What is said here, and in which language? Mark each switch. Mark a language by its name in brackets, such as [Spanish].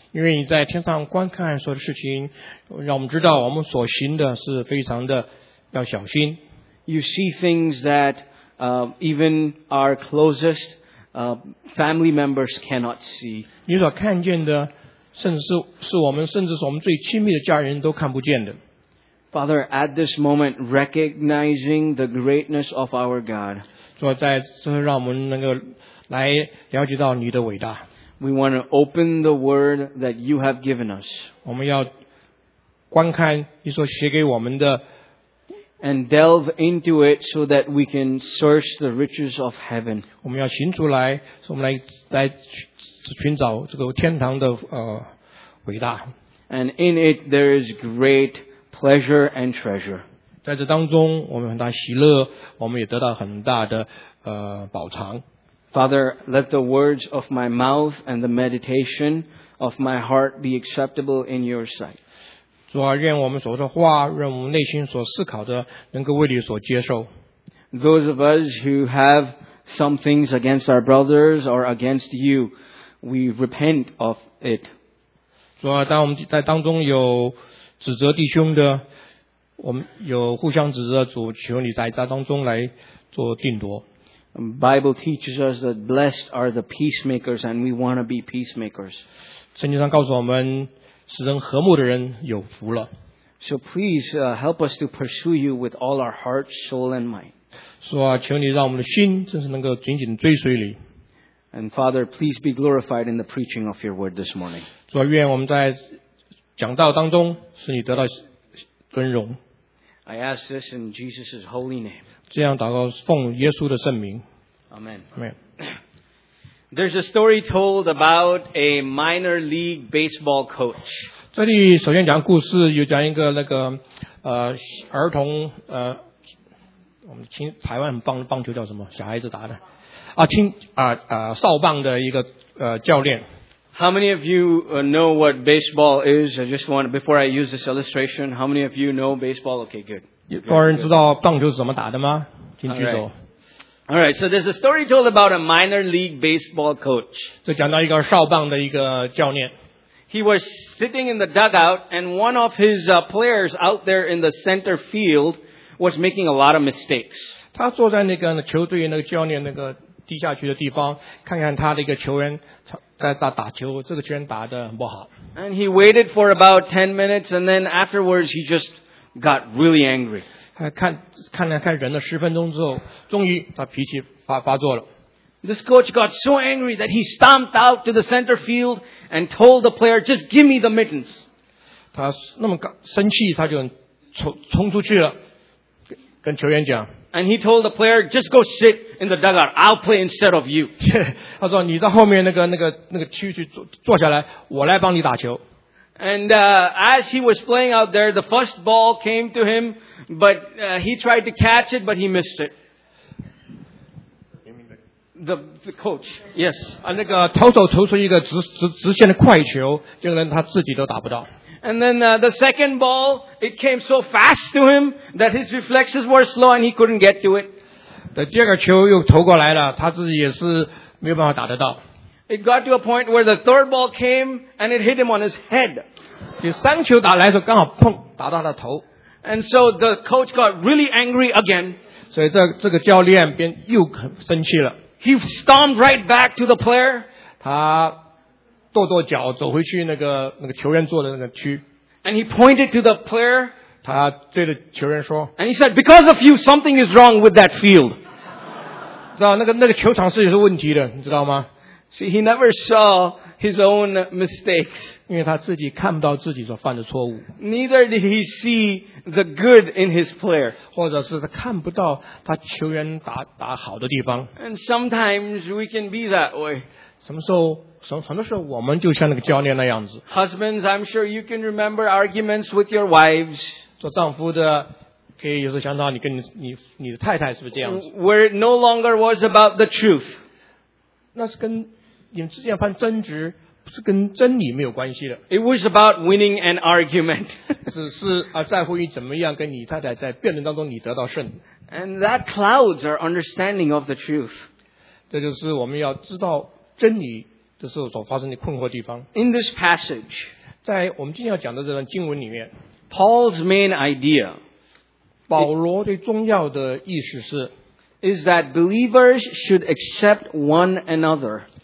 [Chinese] 因为你在天上观看所有的事情，让我们知道我们所行的是非常的要小心。 [English] You see things that even our closest family members cannot see. [Chinese] 你所看见的，甚至是我们，甚至是我们最亲密的家人都看不见的。 [English] Father, at this moment, recognizing the greatness of our God. [Chinese] 主在这让我们能够来了解到你的伟大。 [English] We want to open the word that you have given us. [Chinese] 我们要观看你所写给我们的。 [English] And delve into it so that we can search the riches of heaven. [Chinese] 我们要寻出来，我们来寻找这个天堂的伟大。 [English] And in it there is great pleasure and treasure. [Chinese] 在这当中，我们很大喜乐，我们也得到很大的宝藏。 [English] Father, let the words of my mouth and the meditation of my heart be acceptable in your sight. [Chinese] 主啊，愿我们所说的话，愿我们内心所思考的，能够为你所接受。 [English] Those of us who have some things against our brothers or against you, we repent of it. [Chinese] 主啊，当我们在当中有指责弟兄的，我们有互相指责，主，求你在这当中来做定夺。 [English] Bible teaches us that blessed are the peacemakers, and we want to be peacemakers. [Chinese] 圣经上告诉我们。使人和睦的人有福了。 [English] So please help us to pursue you with all our heart, soul, and mind. [Chinese] 主啊，求你让我们的心真是能够紧紧追随你。 [English] And Father, please be glorified in the preaching of your word this morning. [Chinese] 主啊，愿我们在讲道当中使你得到尊荣。 [English] I ask this in Jesus' holy name. [Chinese] 这样祷告奉耶稣的圣名。 [English] Amen. Amen. There's a story told about a minor league baseball coach. [Chinese] 这里首先讲故事，有讲一个那个儿童我们青台湾很棒的棒球叫什么？小孩子打的啊，青啊啊少棒的一个教练。 [English] How many of you know what baseball is? I just want before I use this illustration. How many of you know baseball? Okay, good. [Chinese] 有人知道棒球是怎么打的吗？请举手。 [English] All right, so there's a story told about a minor league baseball coach. [Chinese] 这讲到一个少棒的一个教练。 [English] He was sitting in the dugout, and one of his players out there in the center field was making a lot of mistakes. [Chinese] 他坐在那个球队那个教练那个地下区的地方，看看他的一个球员在打球，这个球员打得很不好。 [English] And he waited for about 10 minutes, and then afterwards he just got really angry. [Chinese] 看忍了十分钟之后，终于他脾气发作了。 [English] This coach got so angry that he stomped out to the center field and told the player, "Just give me the mittens." [Chinese] 他那么生气，他就冲出去了，跟球员讲。 [English] And he told the player, just go sit in the dugout. I'll play instead of you. [Chinese] 他说你到后面那个区去 坐下来，我来帮你打球。 [English] And as he was playing out there, the first ball came to him, but he tried to catch it, but he missed it. The coach, yes. [Chinese] 那个投手投出一个直线的快球，结果他自己都打不到。 [English] And then the second ball, it came so fast to him that his reflexes were slow and he couldn't get to it. [Chinese] 第二个球又投过来了，他自己也是没有办法打得到。 [English] It got to a point where the third ball came and it hit him on his head. [Chinese] 第三球打来的时候刚好碰打到他头。 [English] And so the coach got really angry again. [Chinese] 所以这个教练便又很生气了。 [English] He stomped right back to the player. [Chinese] 他跺跺脚走回去那个球员坐的那个区。 [English] And he pointed to the player. [Chinese] 他对着球员说。 [English] And he said, because of you, something is wrong with that field. [Chinese] 知道那个球场是有问题的，你知道吗？ [English] See, he never saw his own mistakes. [Chinese] 因为他自己看不到自己所犯的错误。 [English] Neither did he see the good in his player. [Chinese] 或者是他看不到他球员打好的地方。 [English] And sometimes we can be that way. [Chinese] 什么时候我们就像那个教练那样子。 [English] Husbands, I'm sure you can remember arguments with your wives. [Chinese] 做丈夫的可以有时想到你跟你的太太是不是这样子。 [English] Where it no longer was about the truth. [Chinese] 那是跟你们之间犯争执不是跟真理没有关系的。 [English] It was about winning an argument. [Chinese] 是在乎于怎么样跟你太太在辩论当中你得到胜。 [English] And that clouds our understanding of the truth. [Chinese] 这就是我们要知道真理这是所发生的困惑的地方。 [English] In this passage, [Chinese] 在我们今天要讲的这段经文里面 [English] ，Paul's main idea， [Chinese] 保罗最重要的意思是 [English] ，is that believers should accept one another，